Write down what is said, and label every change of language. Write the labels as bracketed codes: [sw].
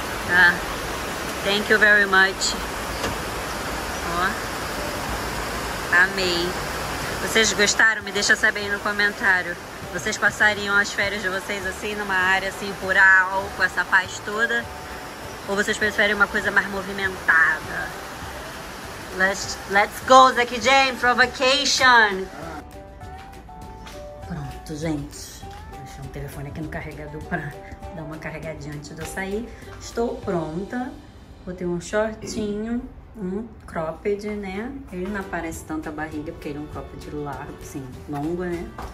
[en] Ah. Thank you very much. Ó. Oh. [pt] Amei. Vocês gostaram? Me deixa saber aí no comentário. Vocês passariam as férias de vocês assim, numa área assim, rural, com essa paz toda? Ou vocês preferem uma coisa mais movimentada? [en] Let's go, Zack e Jane, for vacation. [pt] Pronto, gente. Deixei um telefone aqui no carregador pra dar uma carregadinha antes de eu sair. Estou pronta. Botei um shortinho, um cropped, né? Ele não aparece tanto a barriga, porque ele é um cropped largo, assim, longo, né?